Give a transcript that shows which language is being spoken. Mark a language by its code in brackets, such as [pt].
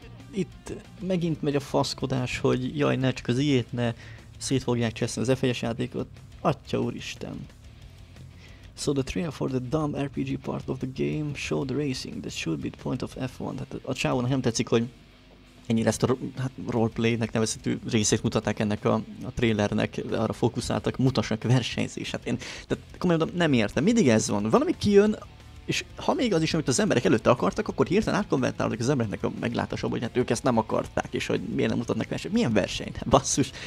[hu] Itt megint megy a faszkodás, hogy jaj, ne csak az EA-t, ne szét fogják cseszni az F1-es játékot. Atya úristen. [en] So the trailer for the dumb RPG part of the game showed racing, that should be the point of F1. [hu] Hát a csávónak nem tetszik, hogy ennyire ezt a hát, roleplaynek nevezhető részét mutatták ennek a trailernek, arra fókuszáltak, mutassanak versenyzés. Hát én, tehát komolyan mondom, nem értem, mindig ez van. Valami kijön, És ha még az is, amit az emberek előtte akartak, akkor hirtelen átkonvertálódik az embereknek a meglátása, hogy hát ők ezt nem akarták, és hogy miért nem mutatnak versenyt. Milyen verseny? Basszus.